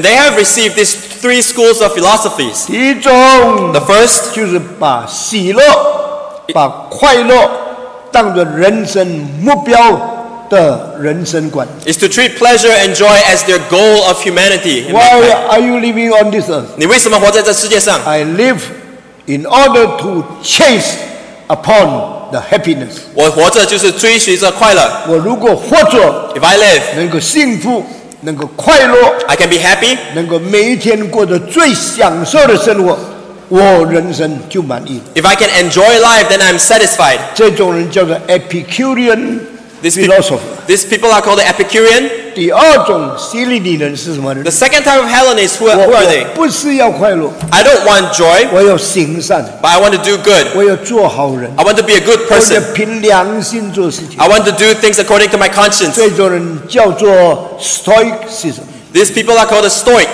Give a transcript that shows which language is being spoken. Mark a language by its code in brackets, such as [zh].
[en] And they have received these three schools of philosophies. [zh] 第一种 [en] ，the first [zh] 就是把喜乐、把快乐当作人生目标的人生观。 [en] Is to treat pleasure and joy as their goal of humanity. Why are you living on this earth? [zh] 你为什么活在这世界上？ [en] I live in order to chase upon the happiness. [zh] 我活着就是追寻着快乐。我如果活着， [en] If I live, [zh] 能够幸福，能够快乐， [en] I can be happy, [zh] 能够每一天过着最享受的生活，我人生就满意。 [en] If I can enjoy life, then I'm satisfied. [zh] 这种人叫做 Epicurean. [en] These people are called the Epicurean. [zh] 第二种希利尼人是什么人？ [en] The second type of Hellenists, who are they? [zh] 不是要快乐。 [en] I don't want joy. [zh] 我要行善。 [en] But I want to do good. [zh] 我要做好人。 [en] I want to be a good person. [zh] 我要凭良心做事情。 [en] I want to do things according to my conscience. [zh] 这种人叫做 Stoicism. [en] These people are called the Stoics.